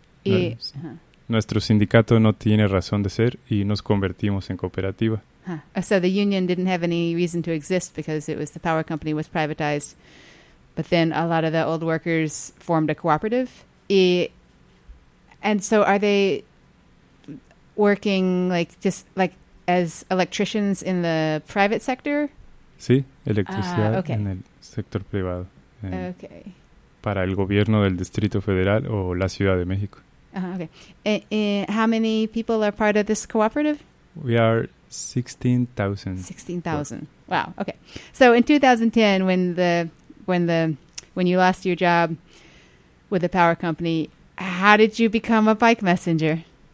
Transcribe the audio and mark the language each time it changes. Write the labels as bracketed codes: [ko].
[es] Y, nuestro sindicato no tiene razón de ser y nos convertimos en cooperativa. Huh. [en] So the union didn't have any reason to exist because it was the power company was privatized. But then a lot of the old workers formed a cooperative. And so are they working like as electricians in the private sector? [es] Sí, electricidad en el sector privado. [en] Okay. [es] Para el gobierno del Distrito Federal o la Ciudad de México. [en] Okay. How many people are part of this cooperative? We are 16,000. 16,000. Yeah. Wow. Okay. So in 2010, when you lost your job with the power company, how did you become a bike messenger?